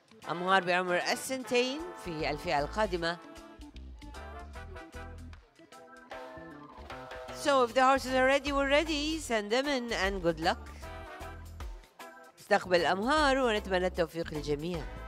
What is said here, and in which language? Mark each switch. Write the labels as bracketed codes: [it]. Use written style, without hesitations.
[ar] أمهار بعمر السنتين في الفئة القادمة. [en] So if the horses are ready, we're ready. Send them in and good luck. [ar] استقبل الأمهار ونتمنى التوفيق للجميع.